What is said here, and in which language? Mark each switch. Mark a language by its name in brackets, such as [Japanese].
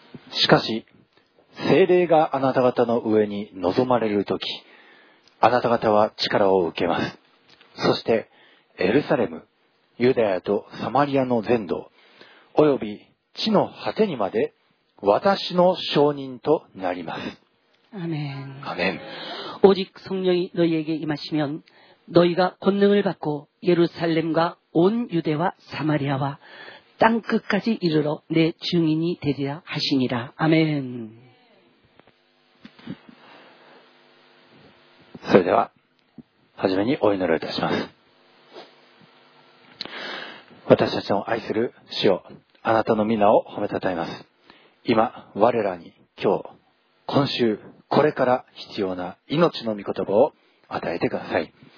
[Japanese] しかし聖霊があなた方の上に臨まれるとき、あなた方は力を受けます。そしてエルサレム、ユダヤとサマリアの全土および地の果てにまで私の証人となります。 [Korean] 아멘. 아멘. 오직 성령이 너희에게 임하시면 너희가 권능을 받고 예루살렘과 온 유대와 사마리아와 땅 끝까지 이르러 내 증인이 되리라 하시니라. 아멘. [Japanese] それでは、はじめにお祈りいたします。私たちの愛する主よ、あなたの御名を褒めたたえます。今、我らに今日、今週、これから必要な命の御言葉を与えてください。